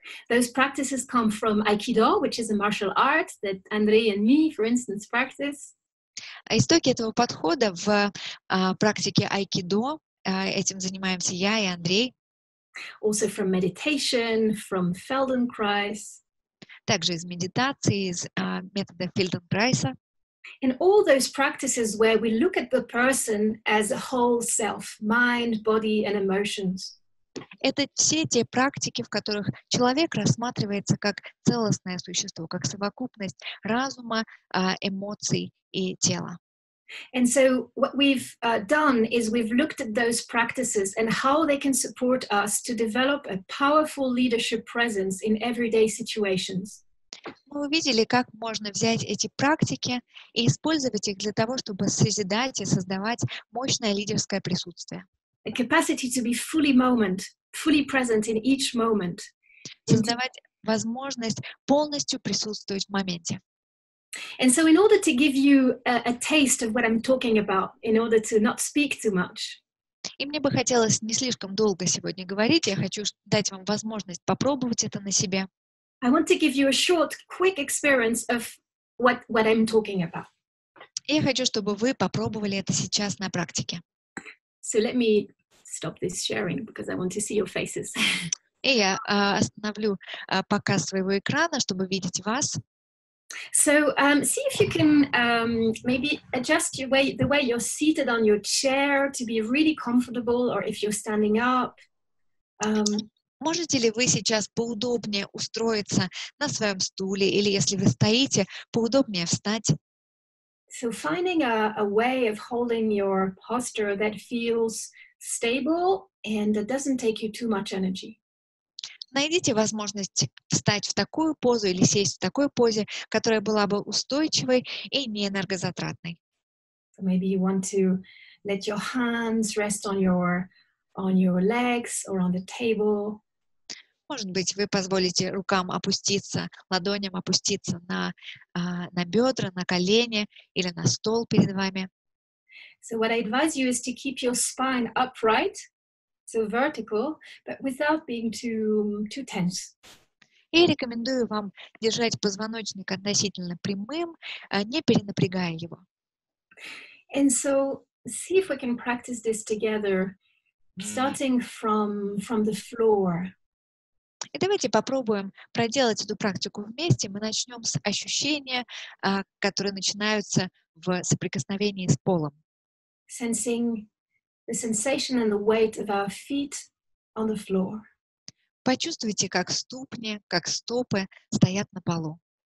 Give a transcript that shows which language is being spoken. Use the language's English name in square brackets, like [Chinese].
[English] Those practices come from Aikido, which is a martial art that Andre and me, for instance, practice. [Russian] Истоки этого подхода в практике Aikido. Этим занимаемся я и Андрей. [English] Also from meditation, from Feldenkrais. [Russian] Также из медитации, из метода Фелденкрайса. [English] And all those practices where we look at the person as a whole self, mind, body and emotions. [Russian] Это все те практики, в которых человек рассматривается как целостное существо, как совокупность разума, эмоций и тела. [English] And so what we've done is we've looked at those practices and how they can support us to develop a powerful leadership presence in everyday situations. [Russian] Мы увидели, как можно взять эти практики и использовать их для того, чтобы созидать и создавать мощное лидерское присутствие. [English] A capacity to be fully moment, fully present in each moment. [Russian] Создавать возможность полностью присутствовать в моменте. [English] And so in order to give you a taste of what I'm talking about, in order to not speak too much. [Russian] И мне бы хотелось не слишком долго сегодня говорить, я хочу дать вам возможность попробовать это на себе. [English] I want to give you a short, quick experience of what I'm talking about. [Russian] Я хочу, чтобы вы попробовали это сейчас на практике. [English] So let me stop this sharing because I want to see your faces. [Russian] И я остановлю показ своего экрана, чтобы видеть вас. [English] So see if you can maybe adjust your way, the way you're seated on your chair to be really comfortable, or if you're standing up. [Russian] Можете ли вы сейчас поудобнее устроиться на своем стуле, или если вы стоите, поудобнее встать? [English] So finding a way of holding your posture that feels stable and that doesn't take you too much energy. [Russian] Найдите возможность встать в такую позу или сесть в такой позе, которая была бы устойчивой и не энергозатратной. [English] Maybe you want to Let your hands rest on your legs or on the table. [Russian] Может быть, вы позволите рукам опуститься, ладоням опуститься на бедра, на колени или на стол перед вами. [English] So what I advise you is to keep your spine upright, so vertical, but without being too tense. [Russian] И рекомендую вам держать позвоночник относительно прямым, не перенапрягая его. [English] And so see if we can practice this together, starting from the floor. [Russian] И давайте попробуем проделать эту практику вместе. Мы начнем с ощущения, которые начинаются в соприкосновении с полом. [English] Sensing the sensation and the weight of our feet on the floor. [Russian] Почувствуйте, как ступни, как стопы стоят на полу.